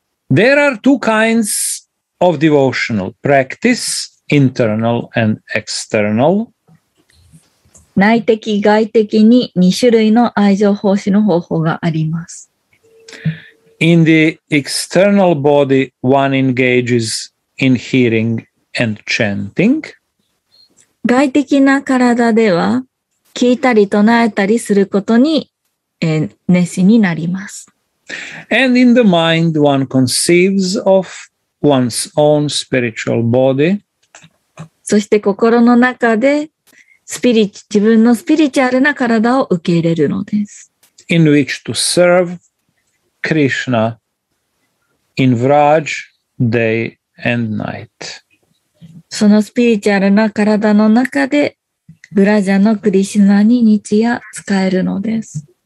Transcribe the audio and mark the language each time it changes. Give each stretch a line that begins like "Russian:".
English: There are two kinds of devotional practice, internal and external.
Japanese: 内的、外的に2種類の愛情奉仕の方法があります。
English: In the external body, one engages in hearing and chanting.
Japanese: 外的な体では聞いたり唱えたりすることに熱心になります。
English: And in the mind, one conceives of one's own spiritual body.
Japanese: そして心の中で自分のスピリチュアルな体を受け入れるのです。
English: In which to serve Krishna in Vraj day and night.
Japanese: そのスピリチュアルな体の中でブラジャのクリシュナに日夜使えるのです。